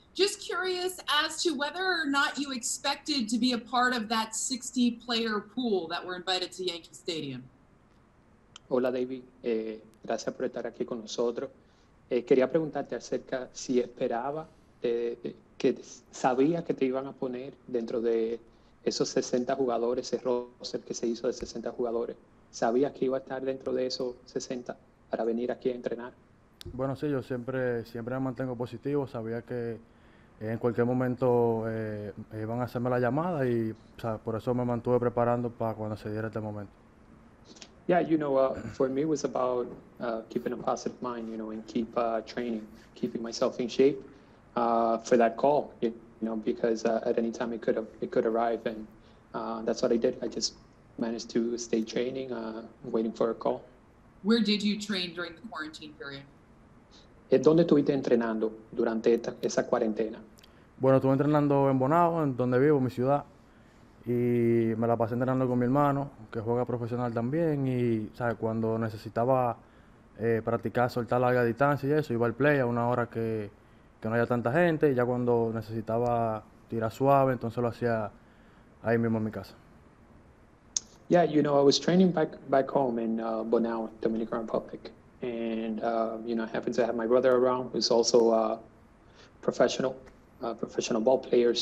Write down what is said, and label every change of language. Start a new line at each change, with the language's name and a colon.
English: Just curious as to whether or not you expected to be a part of that 60-player pool that were invited to Yankee Stadium.
Spanish: Hola, Davey. Gracias por estar aquí con nosotros. Quería preguntarte acerca si esperaba, que sabía que te iban a poner dentro de esos 60 jugadores, ese roster que se hizo de 60 jugadores. ¿Sabías que iba a estar dentro de esos 60 para venir aquí a entrenar? Bueno, sí, yo siempre me mantengo positivo. Sabía que en cualquier momento iban a hacerme la llamada y, o sea, por eso me mantuve preparando para cuando se diera este momento.
English: Yeah, you know, for me it was about keeping a positive mind, you know, and keep training, keeping myself in shape for that call, you know, because at any time it could arrive, and that's what I did. I just managed to stay training, waiting for a call. Where did you train during the quarantine period?
Spanish: ¿Dónde estuviste entrenando durante esa cuarentena? Bueno, estuve entrenando en Bonao, en donde vivo, mi ciudad. Y me la pasé entrenando con mi hermano, que juega profesional también. Y, ¿sabes? Cuando necesitaba practicar, soltar larga distancia y eso, iba al play a una hora que no haya tanta gente. Y ya cuando necesitaba tirar suave, entonces lo hacía ahí mismo en mi casa.
English: Yeah, you know, I was training back home in Bonao, Dominican Republic. And, you know, I happen to have my brother around, who's also a professional ball player.